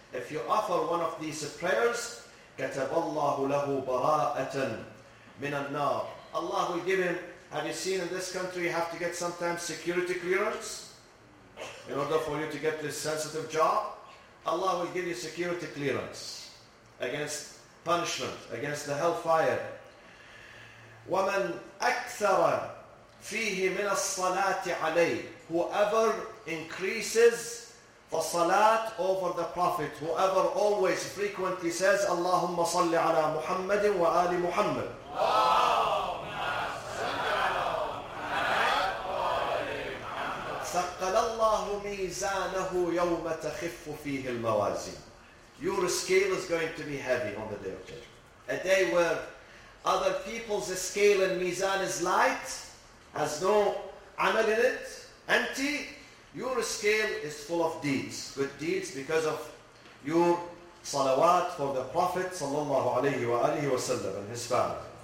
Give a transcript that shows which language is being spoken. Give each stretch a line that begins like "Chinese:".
English: If you offer one of these prayers,
Arabic: كتب الله له براءة من النار.
English: Allah will give him. Have you seen in this country you have to get sometimes security clearance in order for you to get this sensitive job? Allah will give you security clearance against punishment, against the hellfire.
Arabic: وَمَنْ أَكْثَرَ فِيهِ مِنَ الصَّلَاةِ عَلَيْهِ,
English: whoever increases the salat over the Prophet, whoever always frequently says,
Arabic: اللهم صل على محمد وآل محمد. اللهم صل على محمد وآل محمد. ثقل الله ميزانه يوم تخف فيه الموازين.
English: Your scale is going to be heavy on the day of judgment. A day where other people's scale and mizan is light, has no amal in it, empty. Your scale is full of deeds, good deeds, because of your salawat for the Prophet sallallahu alayhi wa alihi wa sallam and his family.